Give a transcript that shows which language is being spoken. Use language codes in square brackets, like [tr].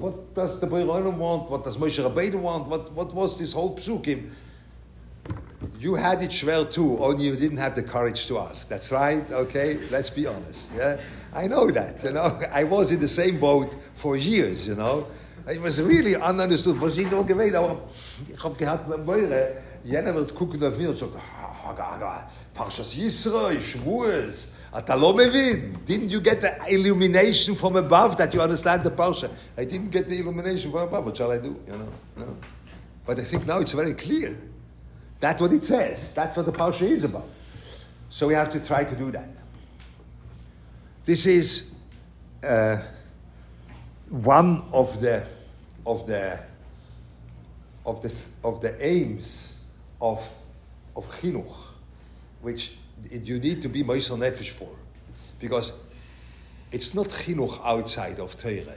[en] What does the Borei Olam want? What does Moshe Rabbeinu want? What was this whole psukim? You had it shver too, only you didn't have the courage to ask. That's right, okay? Let's be honest, yeah? I know that, you know? I was in the same boat for years, you know? It was really ununderstood. Was he not geweest? I had a boyre. [yi] Jeder wird gucken auf mir und sagt, Parshas Yisroi, Shavuos, [he] Ata lo mevin. [en] Didn't you get the illumination from above that you understand the Parsha? I didn't get the illumination from above. What shall I do, you know? No. But I think now it's very clear. That's what it says. That's what the Parsha is about. So we have to try to do that. This is one of the aims of chinuch, which you need to be moisel nefesh for, because it's not chinuch outside of Torah.